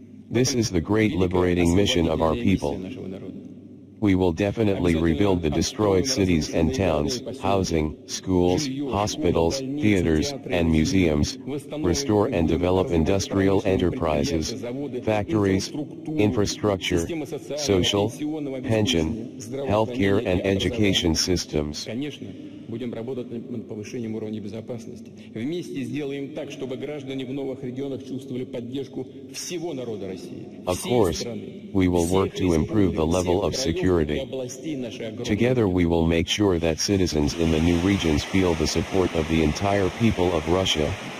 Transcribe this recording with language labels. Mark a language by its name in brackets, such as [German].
[English] This is the great liberating mission of our people. We will definitely rebuild the destroyed cities and towns, housing, schools, hospitals, theaters, and museums, restore and develop industrial enterprises, factories, infrastructure, social, pension, healthcare and education systems. [Russian] Будем работать над повышением уровня безопасности. Вместе сделаем так, чтобы граждане в новых регионах чувствовали поддержку всего народа России. [English] Of course, we will work to improve the level of security. Together we will make sure that citizens in the new regions feel the support of the entire people of Russia.